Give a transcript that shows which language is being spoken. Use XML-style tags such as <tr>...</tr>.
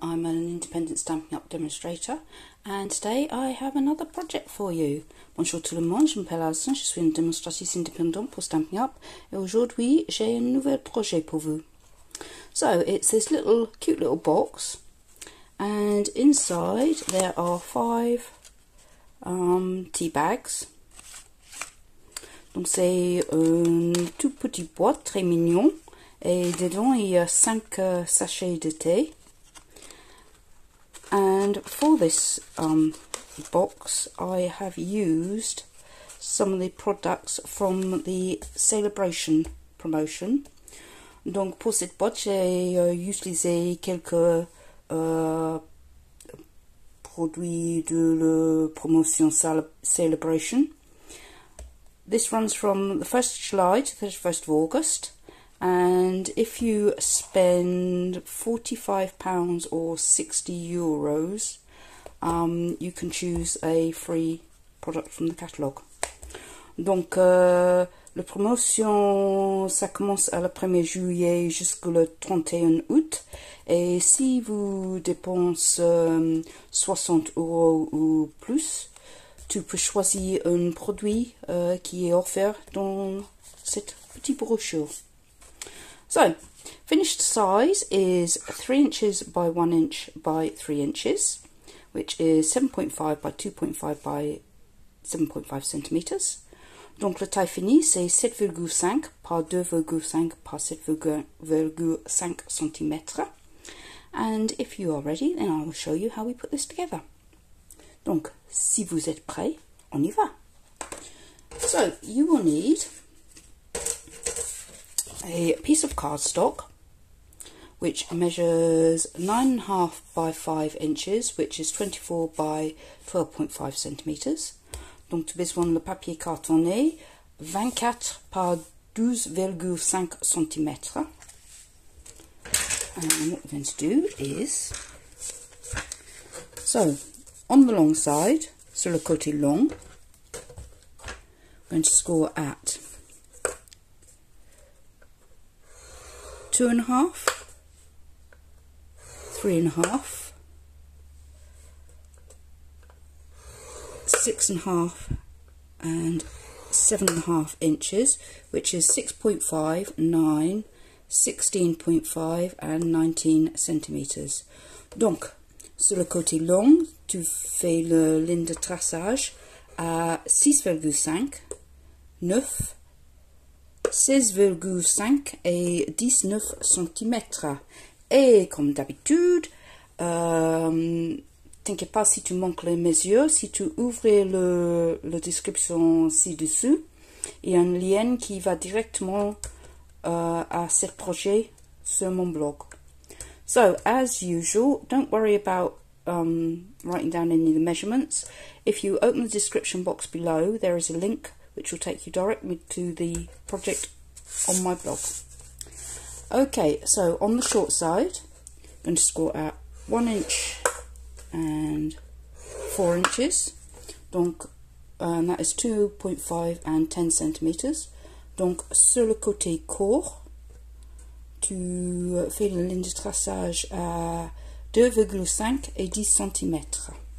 <en>I'm an independent Stampin Up demonstrator and today I have another project for you.</en> <fr>Bonjour tout le monde, je m'appelle Alison, je suis une démonstratrice indépendante pour Stampin Up et aujourd'hui j'ai un nouvel projet pour vous.</fr> <en>So it's this little cute little box and inside there are five tea bags.</en> <fr>Donc c'est une toute petite boîte, très mignon. Et dedans, il y a 5 sachets de thé.</fr> <en>And for this box, I have used some of the products from the Celebration promotion.</en> <fr>Donc, pour cette boîte, j'ai utilisé quelques produits de la promotion Celebration.</fr> <en>This runs from the 1st of July to the 31st of August. And if you spend £45 or €60, you can choose a free product from the catalogue.</en> <fr>Donc, la promotion, ça commence à le 1er juillet jusqu'au 31 août. Et si vous dépensez €60 ou plus, tu peux choisir un produit qui est offert dans cette petite brochure.</fr> <en>So, finished size is 3 inches by 1 inch by 3 inches, which is 7.5 by 2.5 by 7.5 centimetres.</en> <fr>Donc la taille finie, c'est 7,5 par 2,5 par 7,5 centimètres.</fr> <en>And if you are ready, then I will show you how we put this together.</en> <fr>Donc, si vous êtes prêts, on y va.</fr> <en>So, you will need a piece of cardstock which measures 9.5 by 5 inches, which is 24 by 12.5 centimeters.</en> <fr>Donc tu besoin le papier cartonné 24 par 12,5 centimeters.</fr> <en>And what we're going to do is, so on the long side,</en> <fr>sur le côté long,</fr> <en>we're going to score at 2.5, 3.5, 6.5, and 7.5 inches, which is 6.5, 9, 16.5, and 19 centimeters.</en> <fr>Donc, sur le côté long, tu fais la ligne de traçage à 6,5, 9, 16,5 et 19 cm. Et comme d'habitude, t'inquiète pas si tu manques les mesures. Si tu ouvres la description ci-dessous, il y a un lien qui va directement à ce projet sur mon blog.</fr> <en>So, as usual, don't worry about writing down any of the measurements. If you open the description box below, there is a link which will take you directly to the project on my blog. Okay, so on the short side, I'm going to score at 1 inch and 4 inches. Donc, that is 2.5 and 10 centimeters.</en> <fr>Donc, sur le côté court, tu fais la ligne de traçage à 2,5 et 10 centimeters.</fr>